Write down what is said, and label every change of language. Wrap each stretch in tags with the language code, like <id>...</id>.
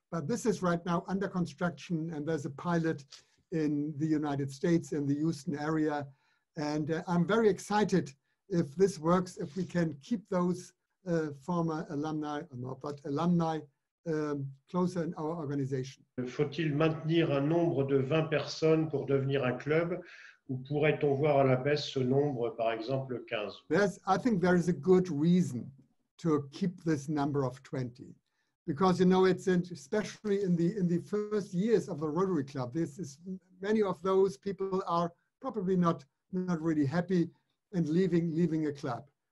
<en>But this is right now under construction, and there's a pilot in the United States in the Houston area. And I'm very excited if this works, if we can keep those former alumni, or not, but alumni closer in our organization.</en> <fr>Faut-il maintenir un nombre de 20 personnes pour devenir un club, ou pourrait-on voir à la baisse ce nombre, par exemple 15?</fr> <en>I think there is a good reason to keep this number of 20. Because you know, it's especially in the first years of a Rotary Club, this is, many of those people are probably not really happy and leaving a club.</en>